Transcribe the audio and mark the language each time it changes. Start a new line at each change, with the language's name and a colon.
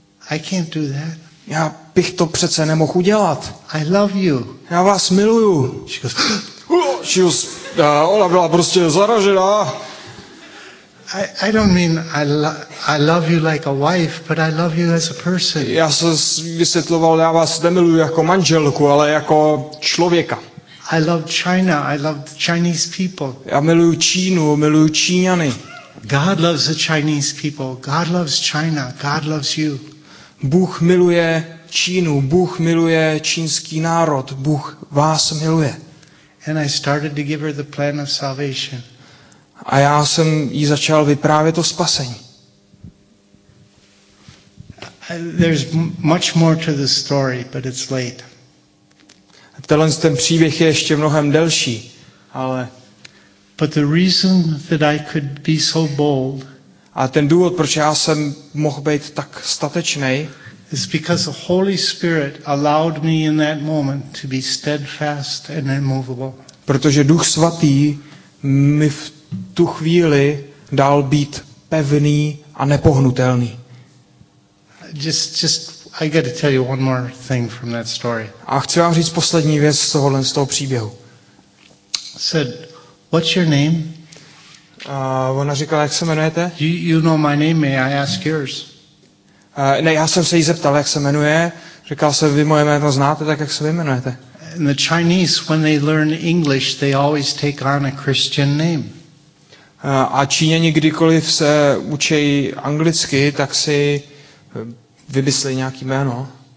English: I can't do that.
Czech: Já bych to přece nemohl udělat.
English: I love you.
Czech: Já vás miluju.
English: She goes,
Czech: ona byla prostě zaražená.
English: I don't mean I love you like a wife, but I love you as a person.
Czech: Já jsem vysvětloval, já vás nemiluju jako manželku, ale jako člověka.
English: I love China. I love the Chinese people.
Czech: Já miluju Čínu, miluju Číňany.
English: God loves the Chinese people. God loves China. God loves you.
Czech: Bůh miluje Čínu, Bůh miluje čínský národ, Bůh vás miluje.
English: And I started to give her the plan of salvation.
Czech: A já jsem jí začal vyprávět o spasení.
English: There's much more to the story, but it's late.
Czech: Tenhle ten příběh je ještě mnohem delší, ale
English: but the reason that I could be so bold.
Czech: A ten důvod, proč já jsem mohl být tak statečný,
English: is because the Holy Spirit allowed me in that moment to be steadfast and immovable.
Czech: Protože Duch svatý mi v tu chvíli dal být pevný a nepohnutelný.
English: Just I got to tell you one more thing from that story.
Czech: A chci vám říct poslední věc z toho příběhu.
English: Said, what's your name?
Czech: Ona říkala, jak se jmenujete?
English: You know my name, may I ask yours?
Czech: Ne, já jsem se jí zeptal, jak se jmenuje. Říkal jsem, vy moje jméno znáte, tak jak se vy jmenujete?
English: And the Chinese, when they learn English, they always take on a Christian name.
Czech: A Číňani, kdykoliv se učí anglicky, tak si vymyslí nějaký jméno.